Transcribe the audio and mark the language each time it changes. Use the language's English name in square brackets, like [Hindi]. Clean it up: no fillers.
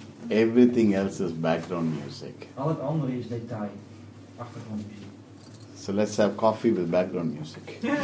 [English] Everything else is background music. [Dutch] Al het andere is detail, achtergrondmuziek. [English] So let's have coffee with background music.